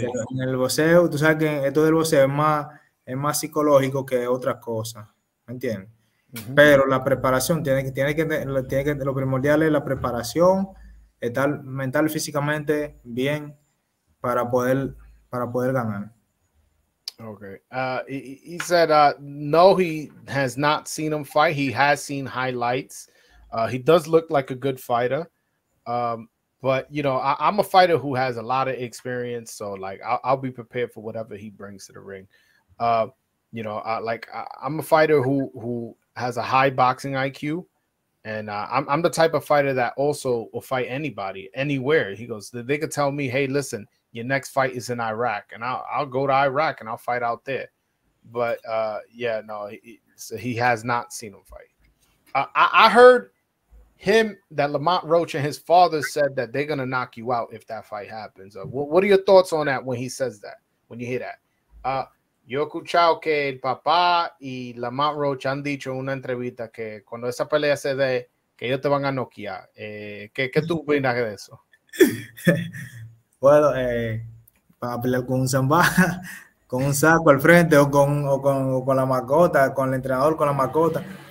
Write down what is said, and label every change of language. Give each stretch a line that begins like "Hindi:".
Spanish: En el boxeo, tú sabes que esto del boxeo es más psicológico que otras cosas, ¿me entiendes? Uh-huh. Pero la preparación, tiene que lo primordial es la preparación, estar mental y físicamente bien para poder ganar.
English: Okay. He said, no, he has not seen him fight. He has seen highlights. He does look like a good fighter. But, you know, I'm a fighter who has a lot of experience. So, like, I'll be prepared for whatever he brings to the ring. You know, I'm a fighter who has a high boxing IQ. And I'm the type of fighter that also will fight anybody, anywhere. He goes, they could tell me, hey, listen, your next fight is in Iraq. And I'll go to Iraq and I'll fight out there. But, yeah, no, he has not seen him fight. I heard... him that Lamont Roach and his father said that they're gonna knock you out if that fight happens. What are your thoughts on that when he says that? When you hear that,
Spanish: yo he escuchado que el papá y Lamont Roach han dicho en una entrevista que cuando esa pelea se dé que ellos te van a noquear. ¿Qué tú opinas de eso? Bueno, para pelear con un samba, con un saco al frente o con la mascota, con el entrenador, con la mascota.